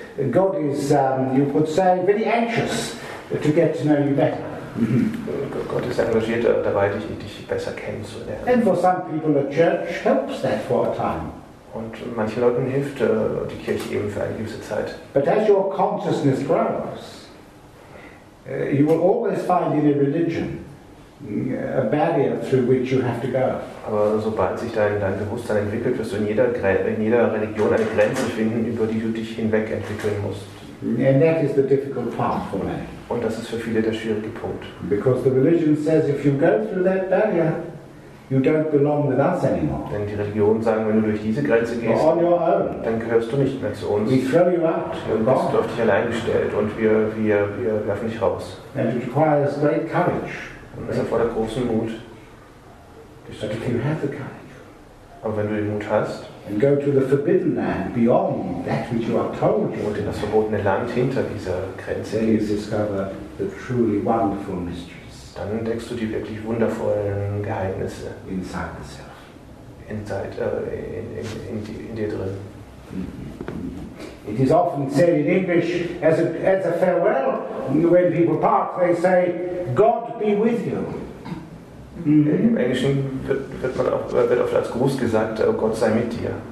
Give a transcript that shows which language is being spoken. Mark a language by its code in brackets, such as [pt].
[en] God is, you could say, very anxious to get to know you better. [de] Gott ist engagiert dabei, dich besser kennenzulernen. [en] And for some people, the church helps that for a time. [de] Und manchen Leuten hilft die Kirche eben für eine gewisse Zeit. [en] But as your consciousness grows, you will always find in a religion a barrier through which you have to go. [de] Aber sobald sich dein Bewusstsein entwickelt, wirst du in jeder Religion eine Grenze finden, über die du dich hinweg entwickeln musst. [en] And that is the difficult part for many. [de] Und das ist für viele der schwierige Punkt. [en] Because the religion says, if you go through that barrier, you don't belong with us anymore. [de] Denn die Religion sagen, wenn du durch diese Grenze gehst, [en] on your own. [de] Dann gehörst du nicht mehr zu uns. [en] We throw you out. [de] Dann bist du auf dich allein gestellt und wir werfen dich raus. [en] And it requires great courage. [de] Und es erfordert großen Mut. [en] But if you have the courage, [de] aber wenn du den Mut hast, [en] and go to the forbidden land beyond that which you are told, [de] und in das verbotene Land hinter dieser Grenze, [en] you discover the truly wonderful mysteries. [de] Dann entdeckst du die wirklich wundervollen Geheimnisse [en] inside the self. [de] In dir drin. [en] It is often said in English as a farewell, when people part, they say, God be with you. [de] Im Englischen wird oft als Gruß gesagt, oh Gott sei mit dir.